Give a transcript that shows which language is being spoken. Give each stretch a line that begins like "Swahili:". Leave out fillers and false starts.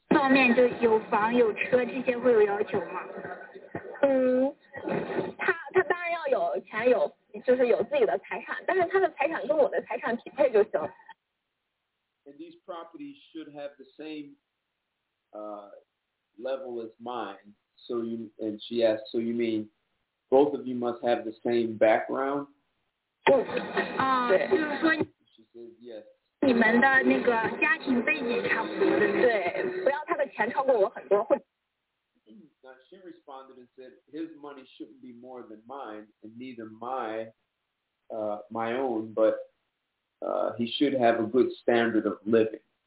English: And these properties should have the same level as mine. So you, and she asked, so you mean both of you must have the same background? She says yes.
Chinese: 你们的那个家庭背景差不多的，对，不要他的钱超过我很多。
English: Now she responded and said his money shouldn't be more than mine, and neither my own, but he should have a good standard of living.